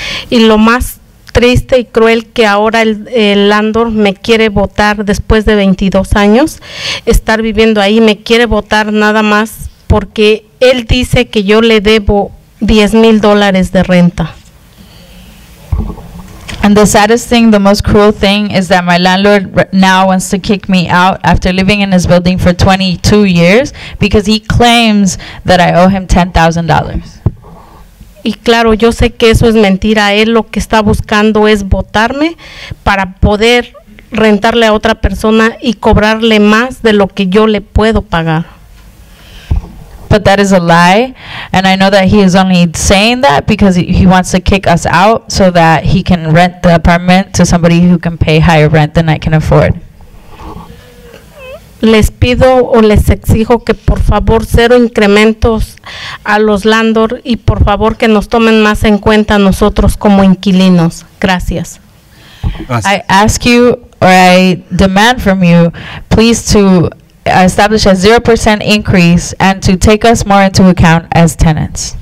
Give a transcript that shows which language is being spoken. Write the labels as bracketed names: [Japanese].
[Spanish] Y lo más triste y cruel que ahora el landlord me quiere botar después de 22 años, estar viviendo ahí, me quiere botar nada más porque él dice que yo le debo $10,000 de renta. [English] And the saddest thing, the most cruel thing, is that my landlord now wants to kick me out after living in his building for 22 years because he claims that I owe him $10,000. [Spanish] Y claro, yo sé que eso es mentira. Él lo que está buscando es botarme para poder rentarle a otra persona y cobrarle más de lo que yo le puedo pagar. [English] But that is a lie. And I know that he is only saying that because he wants to kick us out so that he can rent the apartment to somebody who can pay higher rent than I can afford. [Spanish] Les pido o les exijo que por favor cero incrementos a los landlords y por favor que nos tomen más en cuenta nosotros como inquilinos. Gracias. [English] I ask you or I demand from you please to establish a 0% increase and to take us more into account as tenants.